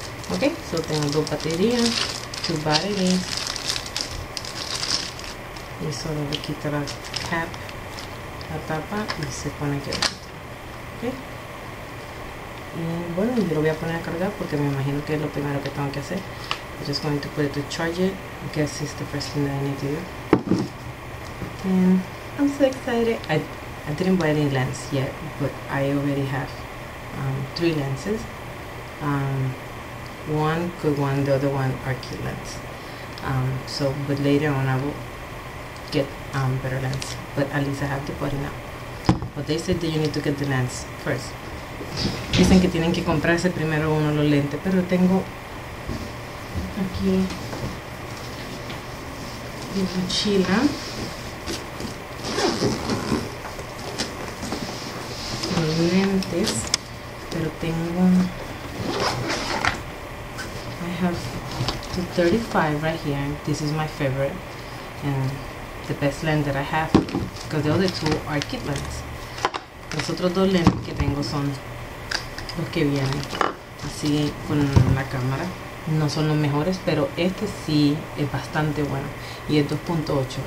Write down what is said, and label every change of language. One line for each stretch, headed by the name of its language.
Spanish: Ok, so tengo dos baterías,
English: two batteries.
Spanish: Y solo le quita la cap, la tapa, y se pone aquí dentro. Ok. Y bueno, yo lo voy a poner a cargar porque me imagino que es lo primero que tengo que hacer.
English: I'm just going to put it to charge it. I guess it's the first thing that I need to do. And I'm so excited. I didn't buy any lens yet, but I already have three lenses. One good one, the other one are key lens. So, but later on I will get better lens. But at least I have the body now. But they said that you need to get the lens first.
Spanish: Dicen que tienen que comprarse primero uno los lentes, pero tengo aquí mi mochila. Lentes, pero tengo
English: I have 235 right here. This is my favorite and the best lens that I have because the other two are kit lens.
Spanish: Los otros dos lentes que tengo son los que vienen así con la cámara. No son los mejores, pero este sí es bastante bueno y es 2.8.